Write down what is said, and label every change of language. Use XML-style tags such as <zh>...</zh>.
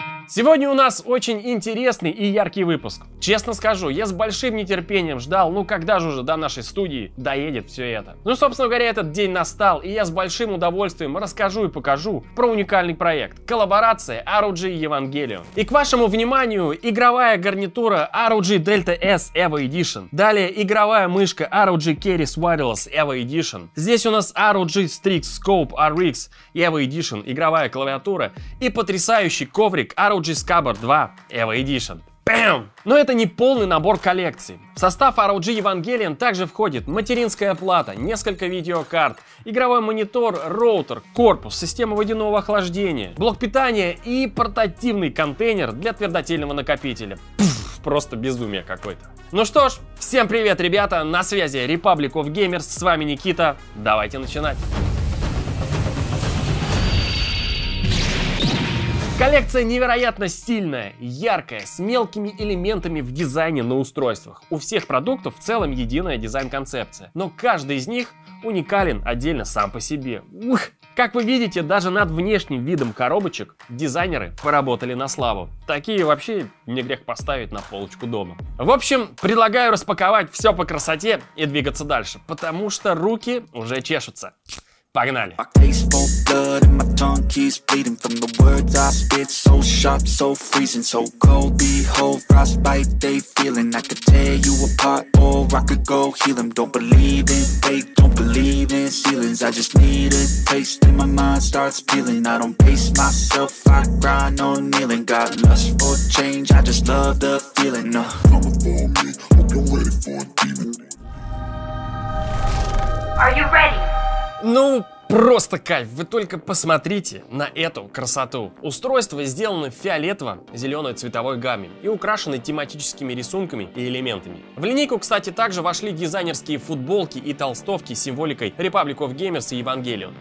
<ru>Сегодня у нас очень интересный и яркий выпуск. Честно скажу, я с большим нетерпением ждал, ну когда же уже до нашей студии доедет все это. Ну, собственно говоря, этот день настал, и я с большим удовольствием расскажу и покажу про уникальный проект. Коллаборация ROG Evangelion. И к вашему вниманию, игровая гарнитура ROG Delta S EVO Edition. Далее, игровая мышка ROG Keras Wireless EVO Edition. Здесь у нас ROG Strix Scope RX EVO Edition, игровая клавиатура. И потрясающий коврик ROG Scabbar 2 EVO Edition. Бэм! Но это не полный набор коллекции. В состав ROG Evangelion также входит материнская плата, несколько видеокарт, игровой монитор, роутер, корпус, система водяного охлаждения, блок питания и портативный контейнер для твердотельного накопителя. Пфф, просто безумие какое-то. Ну что ж, всем привет, ребята, на связи Republic of Gamers, с вами Никита, давайте начинать. Коллекция невероятно стильная, яркая, с мелкими элементами в дизайне на устройствах. У всех продуктов в целом единая дизайн-концепция, но каждый из них уникален отдельно сам по себе. Ух! Как вы видите, даже над внешним видом коробочек дизайнеры поработали на славу. Такие вообще не грех поставить на полочку дома. В общем, предлагаю распаковать все по красоте и двигаться дальше, потому что руки уже чешутся. Погнали!</ru> <en>Blood and my tongue keeps bleeding from the words I spit. So sharp, so freezing, so cold. Behold, frostbite they feeling. I could tear you apart or I could go heal them. Don't believe in fake, don't believe in ceilings. I just need a taste and my mind starts peeling. I don't pace myself, I grind on kneeling. Got lust for change, I just love the feeling. Coming for me, hope you're ready for a demon. Are you ready? No.</en> <ru>Просто кайф, вы только посмотрите на эту красоту. Устройство сделано в фиолетово-зеленой цветовой гамме и украшено тематическими рисунками и элементами. В линейку, кстати, также вошли дизайнерские футболки и толстовки с символикой Republic of Gamers и Evangelion.</ru>